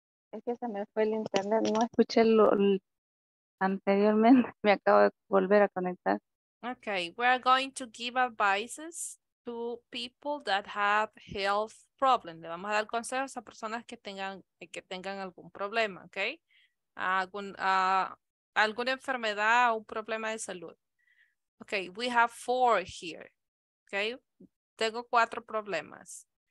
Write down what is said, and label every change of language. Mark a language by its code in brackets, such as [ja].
[es] Es que se me fue el internet, no escuché lo anteriormente, me acabo de volver a conectar. [en] Okay, we're going to give advices to people that have health problems. [es] Le vamos a dar consejos a personas que tengan algún problema, okay? Alguna enfermedad o un problema de salud. [en] Okay, we have four here, okay? [es] Tengo cuatro problemas.